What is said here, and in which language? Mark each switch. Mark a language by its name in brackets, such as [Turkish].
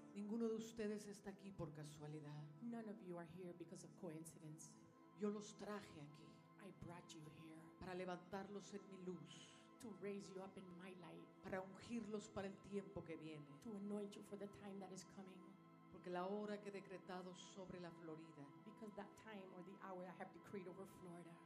[Spanish] Ninguno de ustedes está aquí por casualidad. [English] None of you are here because of coincidence. [Spanish] Yo los traje aquí. [English] I brought you here. [Spanish] Para levantarlos en mi luz. [English] To raise you up in my light. [Spanish] Para ungirlos para el tiempo que viene. [English] To anoint you for the time that is coming. [Spanish] Porque la hora que he decretado sobre la Florida. [English] Because that time or the hour I have decreed over Florida.